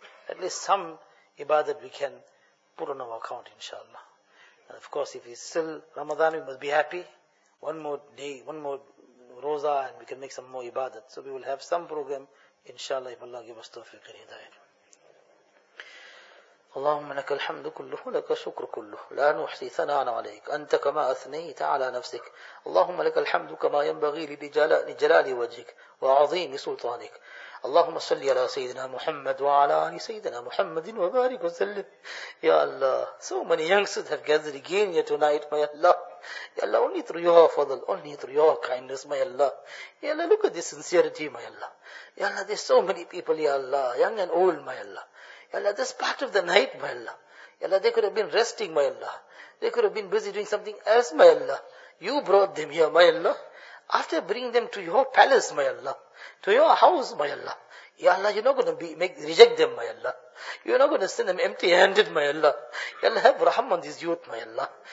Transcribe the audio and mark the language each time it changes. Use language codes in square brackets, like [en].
[en] At least some ibadah we can put on our account, inshallah. And of course, if it's still Ramadan, we must be happy. One more day, one more roza, and we can make some more ibadah. So we will have some program, inshallah, if Allah give us tawfiq and hidayah. [ar] اللهم لك الحمد كله لك الشكر كله لا نحصي ثناء عليك أنت كما أثنيت على نفسك اللهم لك الحمد كما ينبغي لجلال وجهك وعظيم سلطانك اللهم صل على سيدنا محمد وعلى آل سيدنا محمد وبارك وسلم يا الله [en] so many youngsters have gathered again here tonight my Allah [ar] يا الله [en] only through your fadl only through your kindness my Allah يا الله look at this sincerity my Allah يا الله there's so many people يا الله young and old my Allah Ya Allah, this part of the night, my Allah. Ya Allah, they could have been resting, my Allah. They could have been busy doing something else, my Allah. You brought them here, my Allah. After bringing them to your palace, my Allah. To your house, my Allah. Ya Allah, you're not going to reject them, my Allah. You are not going to send them empty handed, my Allah. Ya Allah, have raham on these youth, my Allah.